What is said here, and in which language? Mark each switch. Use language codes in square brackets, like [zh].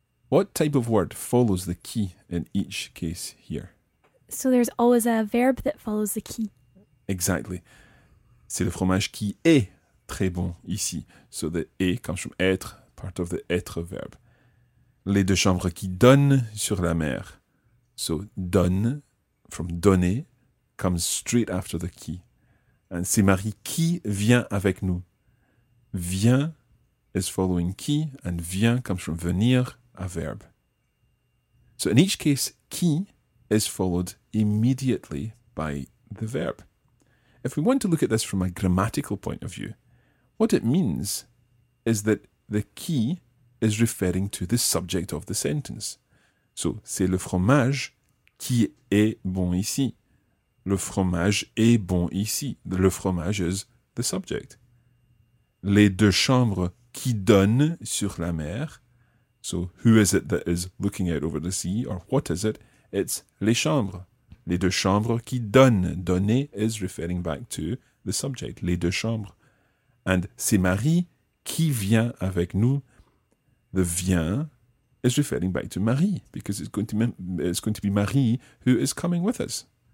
[en] What type of word follows the qui in each case here? So there's always a verb that follows the qui. Exactly. [fr] C'est le fromage qui est très bon ici. [en] So the est comes from être, part of the être verb. [fr] Les deux chambres qui donnent sur la mer. [en] So donne, from donner, comes straight after the qui. And [fr] c'est Marie qui vient avec nous. [en] Vient is following qui, and vient comes from venir, a verb. So in each case, qui is followed immediately by the verb. If we want to look at this from a grammatical point of view, what it means is that the qui is referring to the subject of the sentence. [fr] So, c'est le fromage qui est bon ici. Le fromage est bon ici. Le fromage [en] is the subject. [fr] Les deux chambres qui donnent sur la mer. [en] So, who is it that is looking out over the sea, or what is it? It's [fr] les chambres. Les deux chambres qui donnent. [en] Donner is referring back to the subject. Les deux chambres. [fr] And c'est Marie qui vient avec nous. [en] The vient is referring back to Marie, because it's going to be Marie who is coming with us.